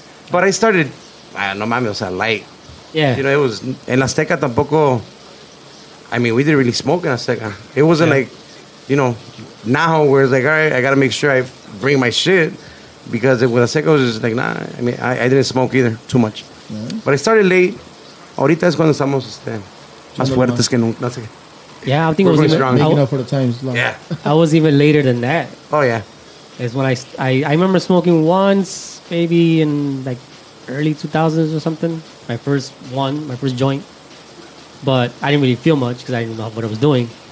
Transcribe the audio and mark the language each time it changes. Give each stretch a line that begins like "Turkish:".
English: But I started,
Spanish: no mames, o sea,
English: light. Yeah. You know, it was,
Spanish: en Azteca tampoco,
English: I mean, we didn't really smoke in Azteca. It wasn't like you know, now where it's like, all right, I got to make sure I bring my shit. Because with the second, I was just like, nah, I mean, I didn't smoke either too much. Yeah. But I started late.
Spanish: Ahorita es cuando estamos este, más fuertes que nunca.
English: Yeah, I think I was even making up for the times. Yeah. I was even later than that. Oh, yeah. It's when I remember smoking once, maybe in like early 2000s or something. My first one, my first joint. But I didn't really feel much because I didn't know what I was doing.